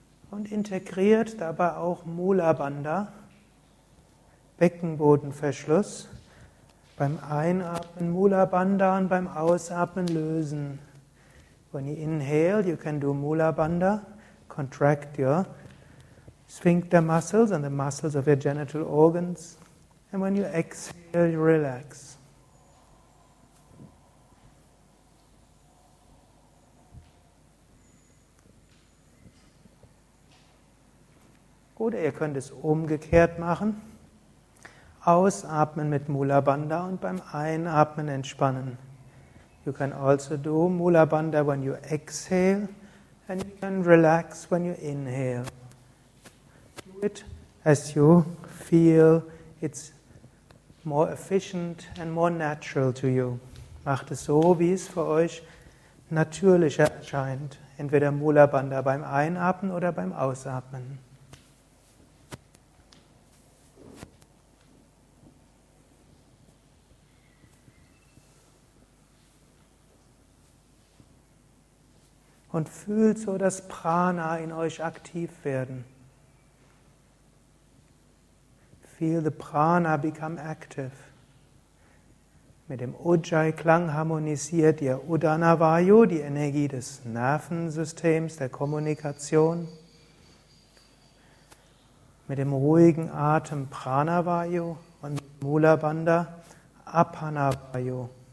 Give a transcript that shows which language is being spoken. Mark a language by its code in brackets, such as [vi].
[de] Und integriert dabei auch Mula Bandha, Beckenbodenverschluss. Beim Einatmen Mula Bandha und beim Ausatmen lösen. [en] When you inhale, you can do Mula Bandha, contract your sphincter muscles and the muscles of your genital organs. And when you exhale, you relax. [de] Oder ihr könnt es umgekehrt machen. Ausatmen mit Mula Bandha und beim Einatmen entspannen. [en] You can also do Mula Bandha when you exhale and you can relax when you inhale. Do it as you feel it's more efficient and more natural to you. [de] Macht es so, wie es für euch natürlicher erscheint. Entweder Mula Bandha beim Einatmen oder beim Ausatmen. Und fühlt so das Prana in euch aktiv werden. [en] Feel the Prana become active. [de] Mit dem Ujjayi-Klang harmonisiert ihr Udana Vayu, die Energie des Nervensystems, der Kommunikation. Mit dem ruhigen Atem Prana Vayu und Mula Bandha Apana Vayu.